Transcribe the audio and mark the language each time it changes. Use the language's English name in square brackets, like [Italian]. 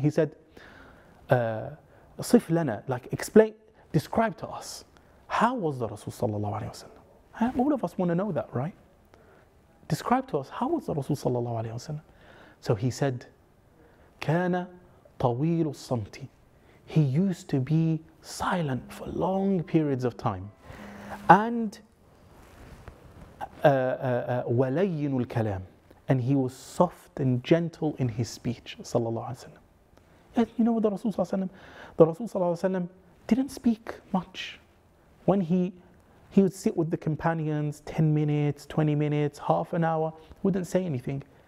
[English] He said, "Sif lana," like explain, describe to us, how was the Rasul sallallahu alayhi wa sallam? All of us want to know that, right? Describe to us, how was the Rasul sallallahu alayhi wa sallam? So he said, [Arabic] كان طويل الصمت. [English] He used to be silent for long periods of time. And [Arabic] ولين الكلام. [English] And he was soft and gentle in his speech, sallallahu alaihi wasallam. And you know what the Rasul sallallahu alaihi wasallam? The Rasul sallallahu alaihi wasallam didn't speak much. When he would sit with the companions 10 minutes, 20 minutes, half an hour, wouldn't say anything.